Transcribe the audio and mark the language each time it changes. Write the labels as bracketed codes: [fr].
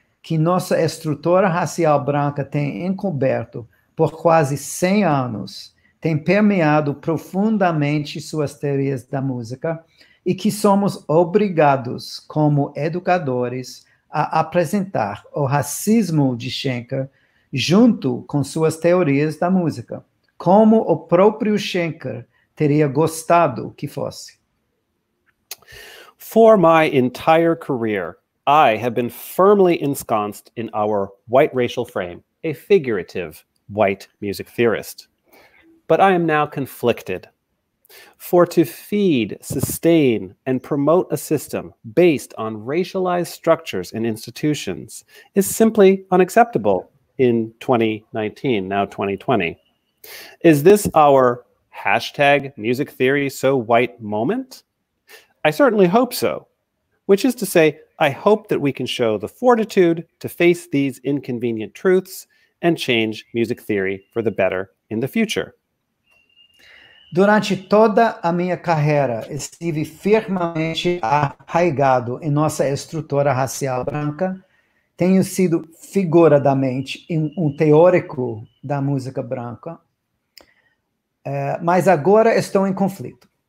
[pt] que nossa estrutura racial branca tem encoberto por quase 100 anos, tem permeado profundamente suas teorias da música e que somos obrigados, como educadores, a apresentar o racismo de Schenker junto com suas teorias da música, como o próprio Schenker teria gostado que fosse. [en] For my entire career, I have been firmly ensconced in our white racial frame, a figurative white music theorist. But I am now conflicted. For to feed, sustain, and promote a system based on racialized structures and institutions is simply unacceptable in 2019, now 2020. Is this our hashtag music theory so white moment? I certainly hope so, which is to say, I hope that we can show the fortitude to face these inconvenient truths and change music theory for the better in the future. [pt] Durante toda a minha carreira, estive firmemente arraigado em nossa estrutura racial branca. Tenho sido figuradamente um teórico da música branca, mas agora estou em conflito.